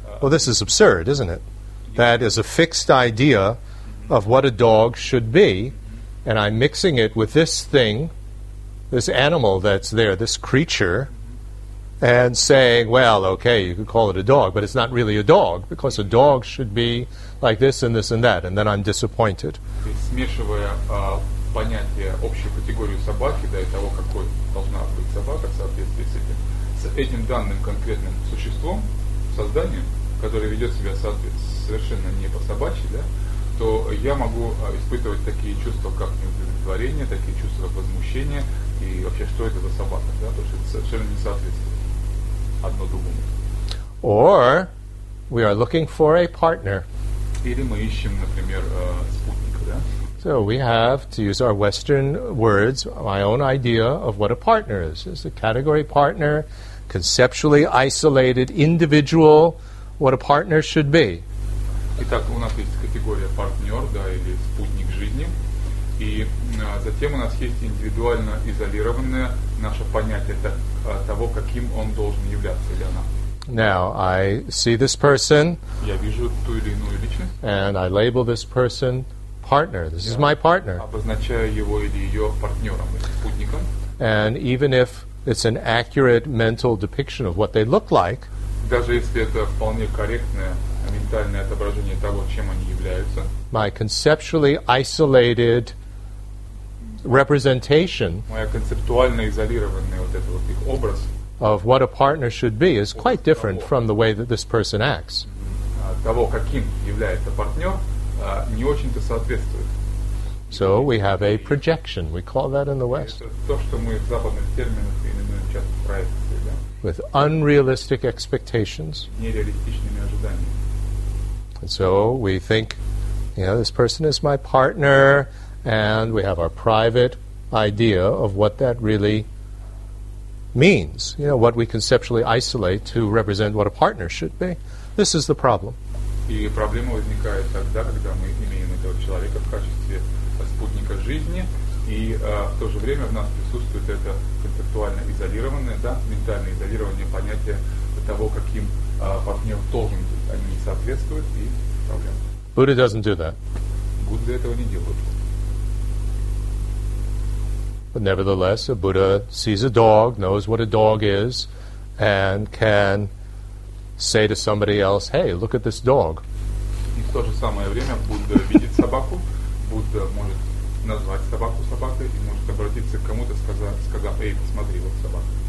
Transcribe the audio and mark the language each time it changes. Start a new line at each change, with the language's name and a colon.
English: Well, this is absurd, isn't it? That is a fixed idea of what a dog should be, and I'm mixing it with this thing, this animal that's there, this creature, and saying, well, okay, you could call it a dog, but it's not really a dog, because a dog should be like this and this and that, and then I'm disappointed.
Russian: Смешивая понятие общую категорию собаки, да, и того, какой должна быть собака в соответствии с этим данным конкретным существом, созданием, которое ведет себя совершенно не по-собачьи, да, то я могу испытывать такие чувства, как неудовлетворение, такие чувства, как возмущение, и вообще, что это за собака, да, потому что это совершенно не соответствует.
English: Or we are looking for a partner.
Russian: Или мы ищем, например, спутника, да?
English: So we have to use our Western words, my own idea of what a partner is. It's a category partner, conceptually isolated, individual, what a partner should be.
Russian: Итак, у нас есть категория партнер, да, или спутник жизни. И затем у нас есть индивидуально изолированное наше понятие того, каким он должен являться или она.
English: Now, I see this person.
Russian: Я вижу ту или иную личность.
English: And I label this person partner. This is my partner.
Russian: Обозначаю его или ее партнером, или спутником.
English: And even if it's an accurate mental depiction of what they look like,
Russian: даже если это вполне корректное ментальное отображение того, чем они являются,
English: my conceptually isolated representation,
Russian: моя концептуально изолированная вот этот вот их образ,
English: of what a partner should be is quite different
Russian: того,
English: from the way that this person acts.
Russian: Того, каким является партнер, не очень-то соответствует.
English: So we have a projection. We call that in the West.
Russian: Это то, что мы в западных терминах именуем часто проекцией, да?
English: With unrealistic expectations.
Russian: Нереалистичными ожиданиями.
English: And so we think, you know, this person is my partner, and we have our private idea of what that really means, you know, what we conceptually isolate to represent what a partner should be. This is the problem.
Russian: И проблема возникает тогда, когда мы имеем этого человека в качестве спутника жизни, и в то же время в нас присутствует это концептуально изолированное, да, ментальное изолированное понятие того, каким партнер должен быть. Они не соответствуют, и проблема.
English: Buddha doesn't do that.
Russian: Будды этого не делают.
English: But nevertheless, a Buddha sees a dog, knows what a dog is, and can say to somebody else, hey, look at this dog.
Russian: И в то же самое время Будда видит собаку, Будда может назвать собаку собакой и может обратиться к кому-то, сказав, эй, посмотри, вот собака.